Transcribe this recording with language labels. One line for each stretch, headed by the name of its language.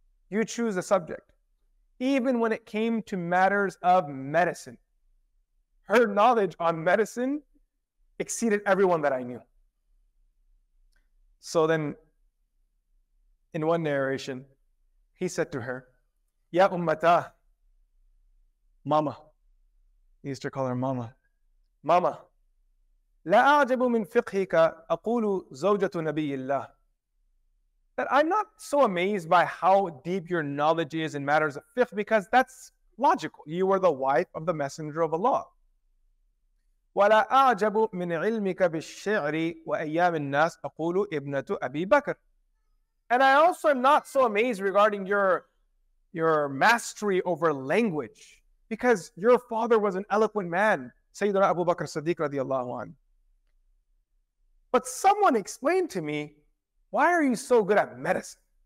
English: You choose a subject. Even when it came to matters of medicine, her knowledge on medicine exceeded everyone that I knew. So then, in one narration, he said to her, Ya Ummata, Mama. He used to call her Mama. Mama.
Arabic: لا أعجب من فقهك أقول زوجة نبي الله.
English: That I'm not so amazed by how deep your knowledge is in matters of fiqh, because that's logical. You are the wife of the Messenger of Allah.
Arabic: ولا أعجب من علمك بالشعر وأيام الناس أقول ابنة أبي بكر.
English: And I also am not so amazed regarding your mastery over language, because your father was an eloquent man, Sayyidina Abu Bakr Siddiq radiallahu anhu. But someone explained to me, why are you so good at medicine?